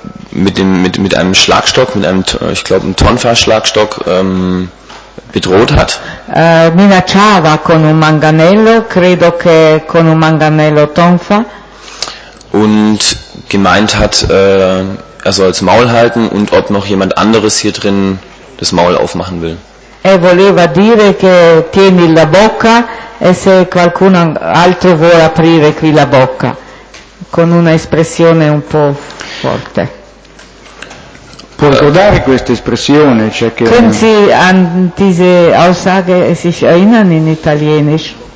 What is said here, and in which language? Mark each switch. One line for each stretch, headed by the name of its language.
German: mit einem Schlagstock, mit einem, ich glaube, einem Tonfa-Schlagstock bedroht hat.
Italian: Minacciava con un manganello, credo che con un manganello tonfa.
German: Und gemeint hat, er soll das Maul halten und ob noch jemand anderes hier drin das Maul aufmachen will.
Italian: E voleva dire che tieni la bocca e se qualcun altro vuole aprire qui la bocca, con una espressione un po' forte. Può ricordare questa espressione? Cioè che
German: können Sie an diese Aussage sich erinnern in Italienisch?